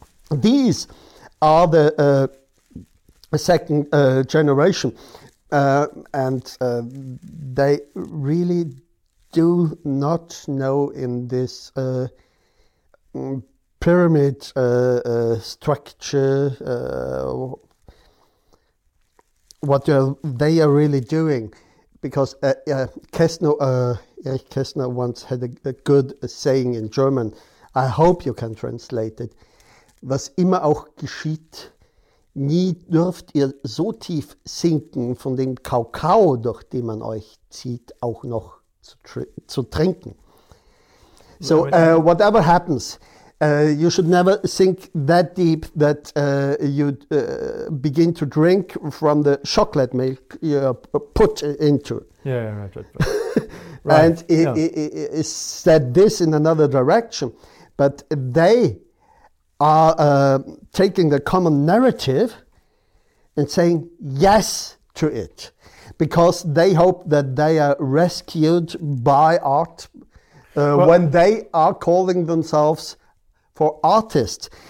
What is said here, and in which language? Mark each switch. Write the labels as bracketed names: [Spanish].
[English] These are the second generation, and they really do not know in this pyramid structure what they are really doing. Because Erich Kästner once had a good saying in German. I hope you can translate it. [German] Was immer auch geschieht, Nie dürft ihr so tief sinken von dem Kakao, durch den man euch zieht, auch noch zu trinken. [English] So, whatever happens, you should never sink that deep that you begin to drink from the chocolate milk you're put into. Yeah, right. And it said this in another direction, but they are taking the common narrative and saying yes to it, because they hope that they are rescued by art when they are calling themselves for artists.